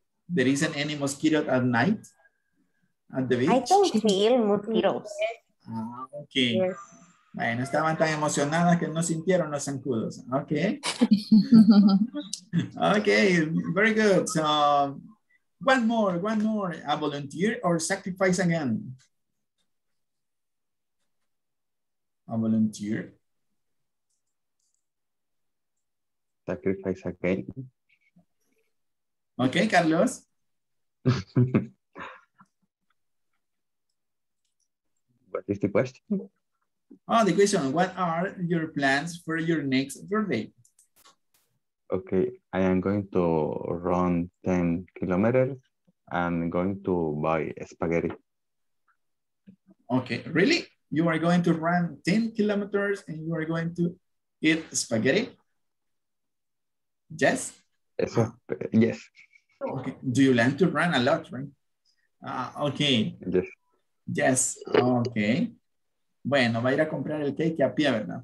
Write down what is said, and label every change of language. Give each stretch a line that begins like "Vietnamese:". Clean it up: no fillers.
English: There isn't any mosquito at night at the beach? I don't feel mosquitoes. Ah, ok. Yes.
Spanish: Bueno, estaban tan emocionadas que no sintieron los zancudos.
English: Ok. Ok, very good. So, one more. A volunteer or sacrifice again? A volunteer? Sacrifice again. Ok, Carlos. What is the question? Oh, the question, what are your plans for your next birthday? Okay, I am going to run 10 kilometers and going to buy spaghetti. Okay, really? You are going to run 10 kilometers and you are going to eat spaghetti? Yes? Eso, yes. Okay. Do you learn to run a lot, right? Okay. Yes. Okay.
Spanish: Bueno, va a ir a comprar el cake a pie, ¿verdad?